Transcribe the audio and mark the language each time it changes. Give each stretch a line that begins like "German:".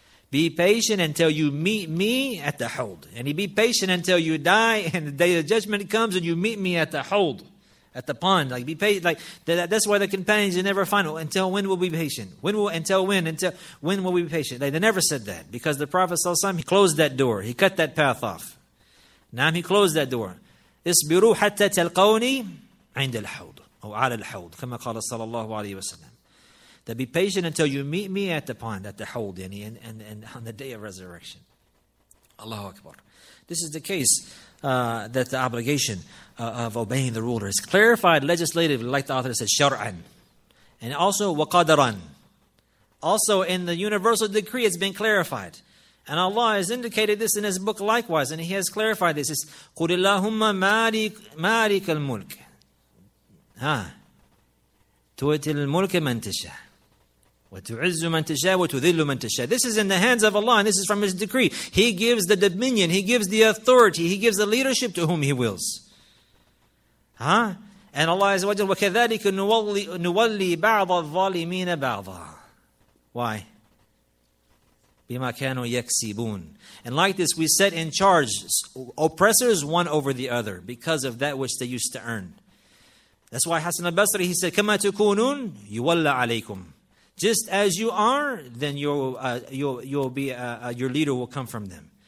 English: Be patient until you meet me at the hawd. And he be patient until you die and the day of judgment comes and you meet me at the hawd, at the pond. Like, be patient. Like, that's why the companions, you never find, until when will we be patient? Until when will we be patient? Like, they never said that, because the Prophet ﷺ, he closed that door. He cut that path off. Now he closed that door.
Arabic: Isbiru hatta talqawni 'ind al-hawd. وعلى الحوض كما قال صلى الله عليه وسلم.
English: That be patient until you meet me at the pond, at the hold, yani, and on the day of resurrection. Allahu Akbar. This is the case that the obligation of obeying the ruler is clarified legislatively, like the author said, shar'an. And also, waqadaran. Also, in the universal decree, it's been clarified. And Allah has indicated this in His book likewise, and He has clarified this. It's,
Arabic: قُلِ اللَّهُمَّ مَالِكَ الْمُلْكِ تُوَتِ الْمُلْكِ مَنْ تَشَاءُ
English: وَتُعِزُّ مَنْ تَشَاءُ وَتُذِلُّ مَنْ تَشَاءُ. This is in the hands of Allah, and this is from His decree. He gives the dominion, He gives the authority, He gives the leadership to whom He wills. Huh? And Allah is
Arabic: وَجَلَّ وَكَذَلِكَ نُوَلِّي بَعْضَ الظَّالِمِينَ بَعْضًا. Why? بِمَا كَانُوا يَكْسِبُونَ.
English: And like this, we set in charge oppressors one over the other because of that which they used to earn. That's why Hassan al-Basri, he said,
Arabic: كَمَا تُكُونُونَ يُوَلَّ عَلَيْكُمْ.
English: Just as you are, then your leader will come from them.